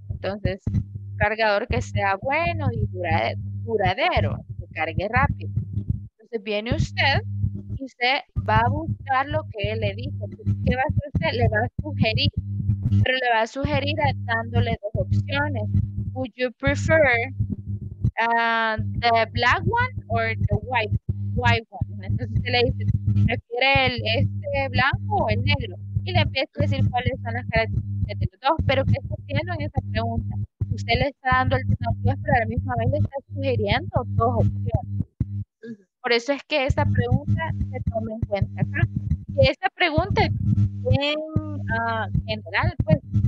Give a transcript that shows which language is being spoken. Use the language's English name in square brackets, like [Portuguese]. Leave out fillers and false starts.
[Spanish] Entonces, cargador que sea bueno y duradero, que cargue rápido. Entonces viene usted y usted va a buscar lo que él le dijo. ¿Qué va a hacer usted? Le va a sugerir, pero le va a sugerir dándole dos opciones. [English] Would you prefer the black one or the white one? [Spanish] Entonces usted le dice, ¿prefiere este blanco o el negro? Y le empieza a decir cuáles son las características de los dos, pero ¿qué está haciendo en esa pregunta? Usted le está dando alternativas, pero a la misma vez le está sugiriendo dos opciones. Por eso es que esta pregunta se toma en cuenta acá. Y esta pregunta es bien general, pues.